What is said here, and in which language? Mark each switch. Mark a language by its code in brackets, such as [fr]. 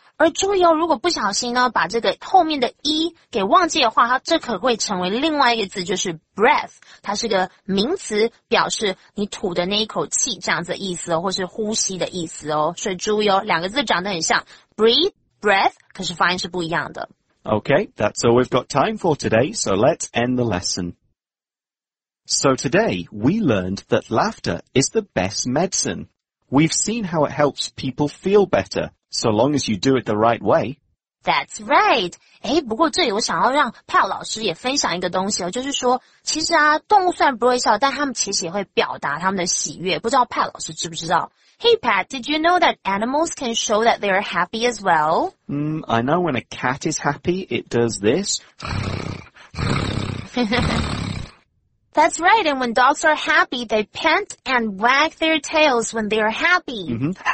[zh] 而注意哦，如果不小心呢，把这个后面的 e 给忘记的话，它这可会成为另外一个字，就是 breath。它是个名词，表示你吐的那一口气这样子的意思哦，或是呼吸的意思哦。所以注意哦，两个字长得很像 breathe, breath, 可是发音是不一样的。 [en] Okay, that's all we've got time for today, so let's end the lesson. So today, we learned that laughter is the best medicine. We've seen how it helps people feel better. So long as you do it the right way. That's right. [zh] 诶，不过这里我想要让 Pat 老师也分享一个东西哦，就是说，其实啊，动物虽然不会笑，但他们其实也会表达他们的喜悦。不知道 Pat 老师知不知道？ [en] Hey Pat, did you know that animals can show that they are happy as well? I know when a cat is happy, it does this. That's right, and when dogs are happy, they pant and wag their tails when they are happy.